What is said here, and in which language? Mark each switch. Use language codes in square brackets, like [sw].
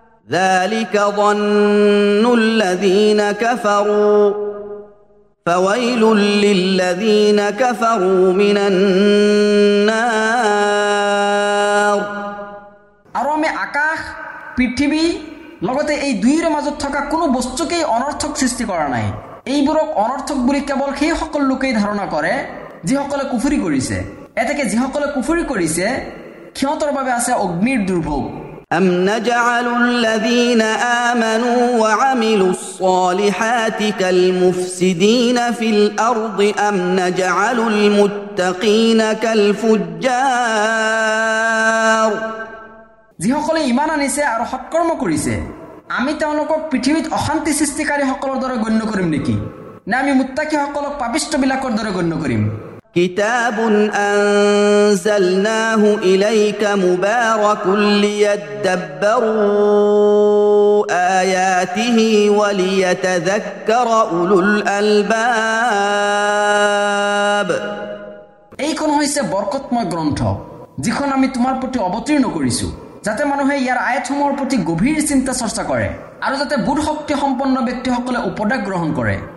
[ar] ذلك ظن الذين كفروا فويل للذين كفروا من النار [as] আরমে আকাশ পৃথিবী লগতে এই দুইৰ মাজত থকা কোনো বস্তুকেই অনর্থক সৃষ্টি কৰা নাই এইবোৰক অনর্থক বুলি কেৱল সেই সকল লোকেই ধাৰণা কৰে যি সকলে কুফৰি কৰিছে এতেকে যি সকলে কুফৰি কৰিছে সিহঁতৰ বাবে আছে অগ্নিৰ দুৰ্ভোগ [ar] أَمْ نَجْعَلُ الَّذِينَ آمَنُوا وَعَمِلُوا الصَّالِحَاتِ كَالْمُفْسِدِينَ فِي الْأَرْضِ أَمْ نَجْعَلُ الْمُتَّقِينَ كَالْفُجَّارِ [as] যিসকলে ইমান আনিছে আৰু সৎকৰ্ম কৰিছে আমি তেওঁলোকক পৃথিৱীত অশান্তি সৃষ্টিকাৰীসকলৰ দৰে গণ্য কৰিম নেকি না আমি মুত্তাকীসকলক পাপিষ্টবিলাকৰ দৰে গণ্য কৰিম [ar] كتاب أنزلناه إليك مبارك ليدبروا آياته وليتذكر أولو الألباب [as] এইখন হৈছে বৰকতময় গ্ৰন্থ যিখন আমি তোমাৰ প্ৰতি অৱতীৰ্ণ কৰিছো যাতে মানুহে ইয়াৰ আয়াতসমূহৰ প্ৰতি গভীৰ চিন্তা চৰ্চা কৰে আৰু যাতে বোধ শক্তি সম্পন্ন ব্যক্তিসকলে উপদেশ গ্ৰহণ কৰে